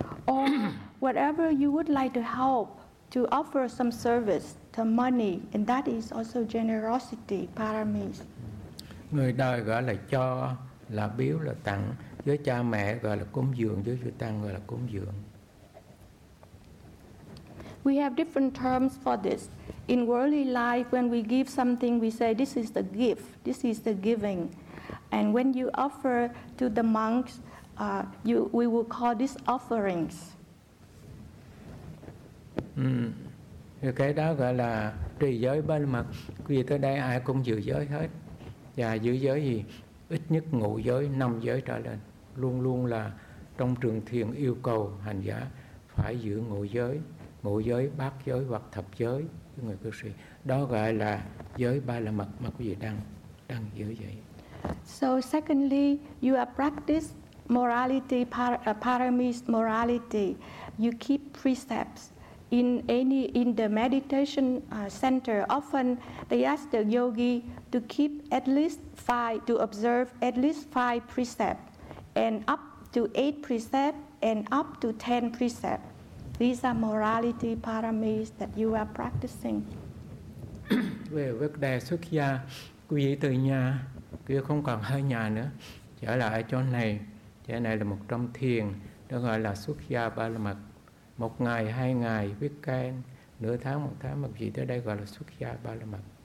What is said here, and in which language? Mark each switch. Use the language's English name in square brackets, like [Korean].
[English] Or whatever you would like to help, to offer some service, the money, and that is also generosity, paramis. [Vietnamese] Người đời gọi là cho, là biếu, là tặng. Với cha mẹ gọi là cúng dường, với vị tăng gọi là cúng dường. [English] We have different terms for this. In worldly life, when we give something, we say this is the gift, this is the giving. And when you offer to the monks, we will call this offerings. Ừ. [Vietnamese] Cái đó gọi là trì giới bên mặt. Vì tới đây ai cũng giữ giới hết. Và giữ giới gì? Ít nhất ngũ giới, năm giới trở lên. Luôn luôn là trong trường thiền yêu cầu hành giả phải giữ ngũ giới. Ngũ giới, bát giới hoặc thập giới. Người cư sĩ. Đó gọi là giới ba la mật mà quý vị đang giữ vậy. [English] So secondly, you are practice morality, paramis morality. You keep precepts. In the meditation center, often they ask the yogi to keep at least five, to observe at least 5 precepts, and up to 8 precepts, and up to 10 precepts. These are morality paramis that you are practicing. [Vietnamese] Về vấn đề xuất gia, quý vị từ nhà, quý vị không còn hơi nhà nữa, trở lại chỗ này. Chỗ này là một trong thiền, đó gọi là xuất gia ba la mật. Một ngày, hai ngày, biết can, nửa tháng, một tháng, mà chỉ tới đây gọi là xuất gia ba la mật.